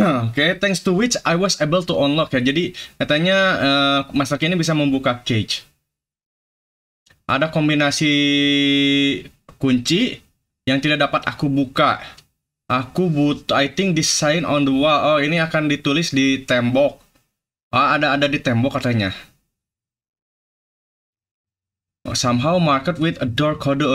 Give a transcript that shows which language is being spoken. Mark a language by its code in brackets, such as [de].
[en] Okay, thanks to which I was able to unlock ya. [id] Jadi katanya master key ini bisa membuka cage. Ada kombinasi kunci yang tidak dapat aku buka. [en] I think this sign on the wall. [id] Oh, ini akan ditulis di tembok. Ah, ada di tembok katanya. [en] Somehow marked with a door code.